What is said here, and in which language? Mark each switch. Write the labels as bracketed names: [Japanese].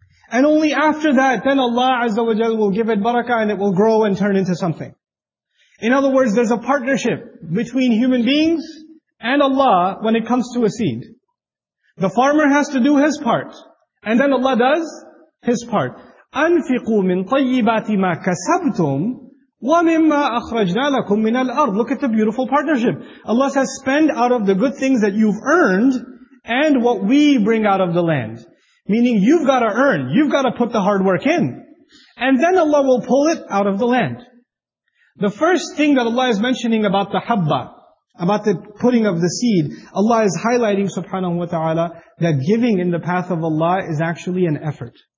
[English] And only after that, then Allah Azza wa Jalla will give it barakah and it will grow and turn into something. In other words, there's a partnership between human beings and Allah when it comes to a seed. The farmer has to do his part, and then Allah does His part. [Arabic] أَنْفِقُوا مِنْ طَيِّبَاتِ مَا كَسَبْتُمْ وَمِمَّا أَخْرَجْنَا لَكُمْ مِنَ الْأَرْضِ [English] Look at the beautiful partnership. Allah says, spend out of the good things that you've earned and what we bring out of the land. Meaning you've got to earn, you've got to put the hard work in. And then Allah will pull it out of the land. The first thing that Allah is mentioning about the habba, about the putting of the seed, Allah is highlighting, subhanahu wa ta'ala, that giving in the path of Allah is actually an effort.